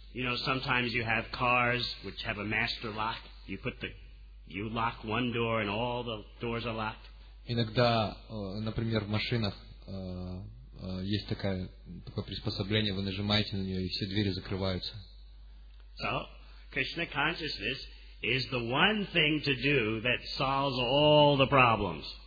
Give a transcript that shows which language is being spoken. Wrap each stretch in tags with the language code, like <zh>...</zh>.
<en>You know, sometimes you have cars which have a master lock. You lock one door and all the doors are locked.</en> <ru>Иногда, например, в машинах есть такое приспособление, вы нажимаете на нее, и все двери закрываются.</ru> <en>So, Krishna consciousness is the one thing to do that solves all the problems.</en>